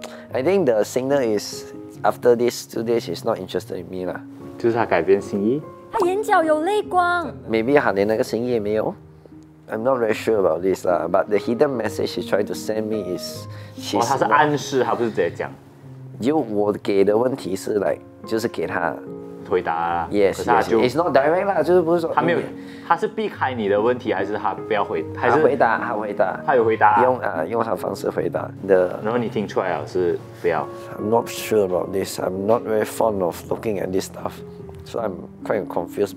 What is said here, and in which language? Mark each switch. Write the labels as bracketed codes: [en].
[en] ？I think the signal is after this 2 days is not interested in me 啦。 [zh] 就是他改变心意。他眼角有泪光。 Maybe 他连那个心意也没有。 [en] I'm not very sure about this, but the hidden message he tried to send me is. [zh] 哦，他是暗示，他不是直接讲。就我给的问题是 like, 就是给他回答。 [en] Yes, yes. It's not direct, [zh] 就是不是说他没有，他是避开你的问题，还是他不要回？他回答，他回答，他有回答，用他的方式回答的。然后你听出来了是不要。 [en] I'm not sure about this. I'm not very fond of looking at this stuff, so I'm quite confused.